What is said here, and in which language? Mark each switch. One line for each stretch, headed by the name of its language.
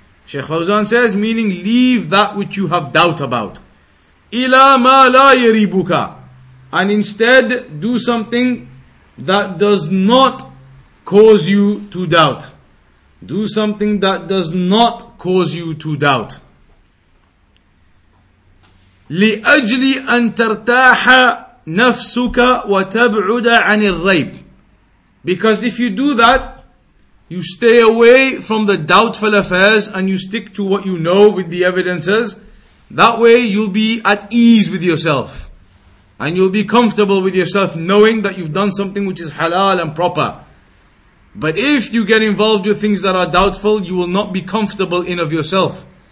English: Sheikh Fawzan says, meaning leave that which you have doubt about.
Arabic: إلى ما لا يريبك.
English: And instead do something that does not cause you to doubt. Do something that does not cause you to doubt.
Arabic: لأجل أن ترتاح نفسك وتبعد عن الريب.
English: Because if you do that, You stay away from the doubtful affairs and you stick to what you know with the evidences. That way you'll be at ease with yourself. And you'll be comfortable with yourself knowing that you've done something which is halal and proper. But if you get involved with things that are doubtful, you will not be comfortable in of yourself.